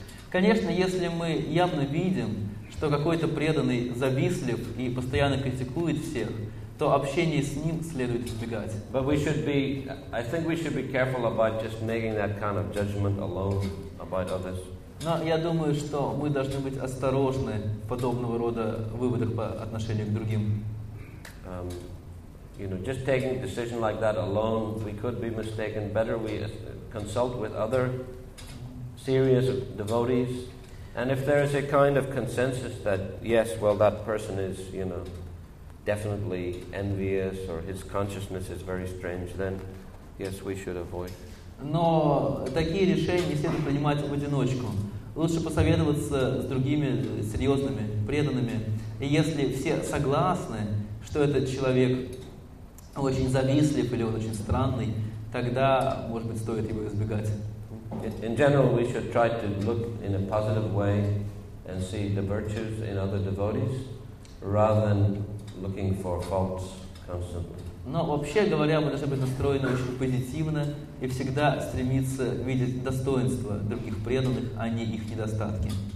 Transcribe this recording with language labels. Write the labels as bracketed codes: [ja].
[ru] Конечно, если мы явно видим, что какой-то преданный завистлив и постоянно критикует всех, то общение с ним следует избегать. [en] But we should be, I think we should be careful about just making that kind of judgment alone about others. [ru] Но я думаю, что мы должны быть осторожны в подобного рода выводах по отношению к другим. [en] You know, just taking a decision like that alone, we could be mistaken. Better we consult with other serious devotees. And if there is a kind of consensus that, yes, well, that person is, you know, definitely envious or his consciousness is very strange, then, yes, we should avoid. [ru] Но такие решения не следует принимать в одиночку. Лучше посоветоваться с другими серьезными, преданными. И если все согласны, что этот человек очень завистлив или он очень странный, тогда, может быть, стоит его избегать. [en] In general, we should try to look in a positive way and see the virtues in other devotees, rather than looking for faults constantly. [ru] Но вообще говоря, мы должны быть настроены очень позитивно и всегда стремиться видеть достоинства других преданных, а не их недостатки.